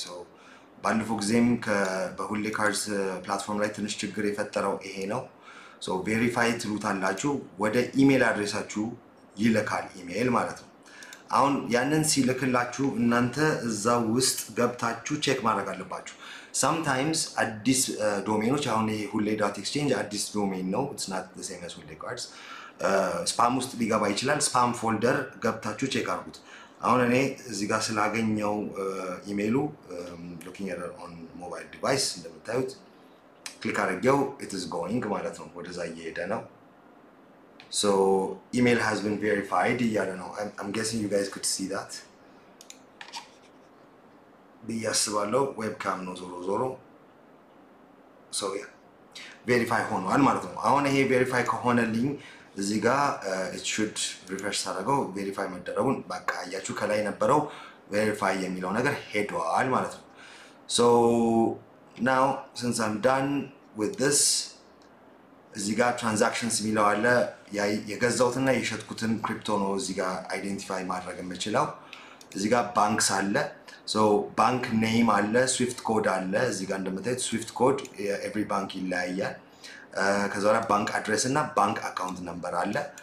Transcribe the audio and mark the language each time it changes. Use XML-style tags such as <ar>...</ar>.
<am>So ባለፈው ጊዜም በሁሉ cards platform ላይ ትንሽ ችግር የፈጠረው ይሄ ነው. So verify ትሉታላችሁ ወደ ኢሜል አድራሻችሁ ይልካል ኢሜል ማለት ነው. አሁን ያንን ሲልክላችሁ እናንተ እዛ ውስጥ ገብታችሁ ቼክ ማድረግ አለባችሁ. Sometimes አዲስ ዶሜኖች አሁን ሁሌ.exchange አዲስ ዶሜን ነው,</am> <en>it's not the same as</en> <am>hule cards. ስፓም ውስጥ ሊገባ ይችላል. ስፓም ፎልደር ገብታችሁ ቼክ አድርጉት. አሁን እኔ እዚህ ጋር ስላገኘው ኢሜሉ</am> <en>looking at it on mobile device</en> <am>እንደምታዩት ክሊክ አድርገው</am> <en>it is going</en> <am>ማለት ነው, ወደዛ እየሄደ ነው.</am> <en>So email has been verified. I don't know. I'm guessing you guys could see that.</en> <am>ቢያስባሎ webcam ነው ዞሮ ዞሮ.</am> <en>So yeah.</en> <am>Verify ሆኖ አልማለት ነው. አሁን ይሄ verify ከሆነልኝ እዚህ ጋር</am> <en>it should refresh</en> <am>አረጋው verify መደረጉን በቃ ያያችሁ ከላይ ነበረው verify የሚለው ነገር ሄዷል ማለት ነው.</am> <en>So now since I'm done with this,</en> <am>እዚህ ጋር ትራንዛክሽንስ የሚለው አለ. የገዛሁትና የሸጥኩትን ክሪፕቶ ነው እዚህ ጋር አይደንቲፋይ ማድረግ የምችለው. እዚህ ጋር ባንክስ አለ. ሶ ባንክ ኔም አለ, ስዊፍት ኮድ አለ. እዚህ ጋር እንደምታዩት ስዊፍት ኮድ ኤቭሪ ባንክ ይለያያል. ከዛ በኋላ ባንክ አድሬስ እና ባንክ አካውንት ነምበር አለ.</am>